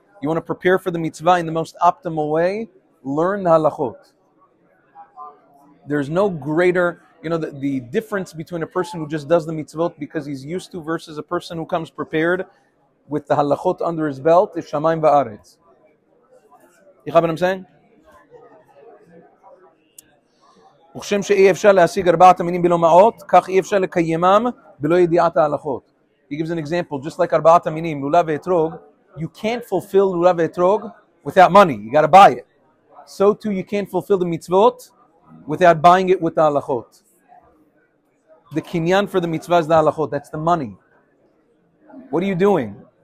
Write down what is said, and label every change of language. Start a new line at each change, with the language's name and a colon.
English: You want to prepare for the mitzvah in the most optimal way? Learn the halachot. There's no greater, you know, the difference between a person who just does the mitzvot because he's used to versus a person who comes prepared with the halachot under his belt is shamayim va'aretz. You know what I'm saying?
Hebrew: וכשם שאי אפשר להשיג ארבעת המינים בלא מעות, כך אי אפשר לקיימם בלא ידיעת ההלכות.
English: He gives an example, just like ארבעת המינים, לולה ואתרוג, you can't fulfill לולה ואתרוג without money, you got to buy it. So too, you can't fulfill the mitzvot without buying it with the halachot. The kinyan for the mitzvah is the halachot, that's the money. What are you doing?